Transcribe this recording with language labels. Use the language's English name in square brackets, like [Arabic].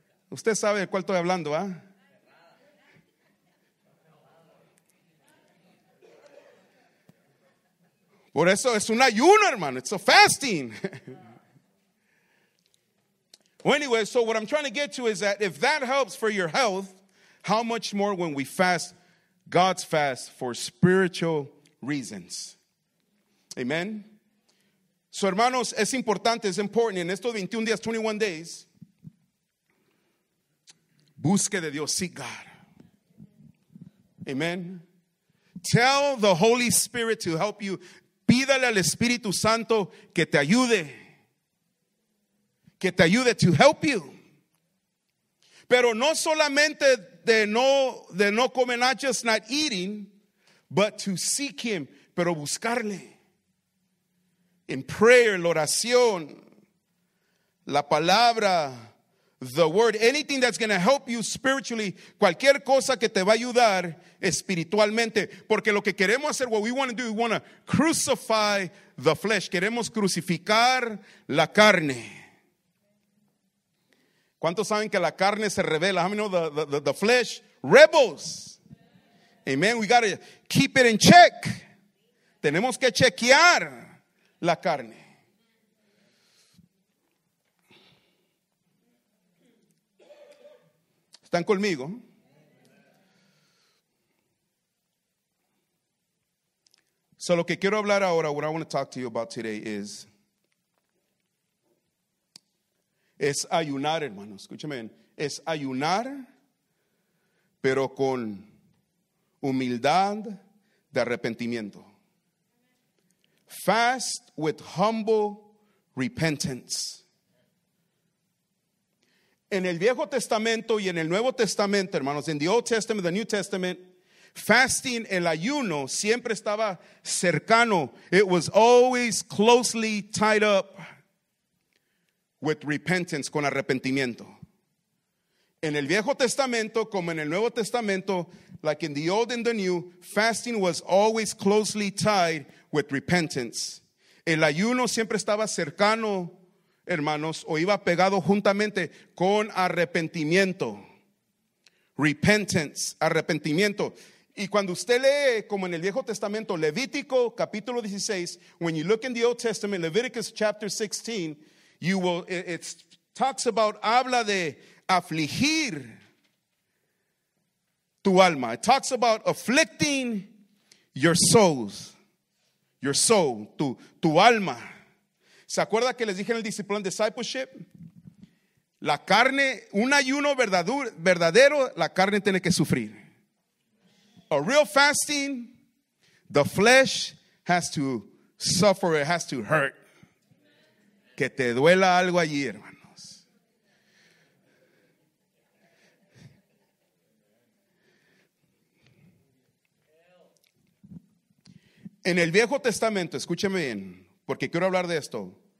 [Spanish] Usted sabe de cuál estoy hablando, ¿ah? Por eso es un ayuno, hermano. [English] It's a fasting. Well, anyway, so what I'm trying to get to is that if that helps for your health, how much more when we fast, God's fast for spiritual reasons. [Spanish] Amen. So, hermanos, es importante, es importante. En estos 21 días, [English] 21 days, [Spanish] busque de Dios, [English] seek God. Amen. Tell the Holy Spirit to help you. [Spanish] Pídale al Espíritu Santo que te ayude. Que te ayude [English] to help you. [Spanish] Pero no solamente de no comer, [English] not just not eating, but to seek Him, [Spanish] pero buscarle. [English] In prayer, [Spanish] la oración, la palabra, [English] the word, anything that's going to help you spiritually, [Spanish] cualquier cosa que te va a ayudar espiritualmente. Porque lo que queremos hacer, [English] what we want to do, we want to crucify the flesh. [Spanish] Queremos crucificar la carne. ¿Cuántos saben que la carne se revela? [English] How many know the flesh rebels? Amen. We got to keep it in check. [Spanish] Tenemos que chequear la carne. ¿Están conmigo? So lo que quiero hablar ahora, [English] what I want to talk to you about today [Spanish] es ayunar, hermanos, escúcheme bien. Es ayunar, pero con humildad de arrepentimiento. [English] Fast with humble repentance. [Spanish] En el Viejo Testamento y en el Nuevo Testamento, hermanos, [English] in the Old Testament, the New Testament, fasting, [Spanish] el ayuno, siempre estaba cercano. [English] It was always closely tied up with repentance, [Spanish] con arrepentimiento. En el Viejo Testamento, como en el Nuevo Testamento, [English] like in the Old and the New, fasting was always closely tied with repentance. [Spanish] El ayuno siempre estaba cercano, hermanos, o iba pegado juntamente con arrepentimiento. [English] Repentance, [Spanish] arrepentimiento. Y cuando usted lee, como en el Viejo Testamento, Levítico, capítulo 16, [English] when you look in the Old Testament, Leviticus chapter 16, it talks about, [Spanish] habla de afligir tu alma. [English] It talks about afflicting your souls. Your soul, [Spanish] tu alma. ¿Se acuerda que les dije en el discipline discipleship? La carne, un ayuno verdadero, la carne tiene que sufrir. [English] A real fasting, the flesh has to suffer, it has to hurt. [Spanish] Que te duela algo allí, hermanos. En el Viejo Testamento, escúcheme bien, porque quiero hablar de esto.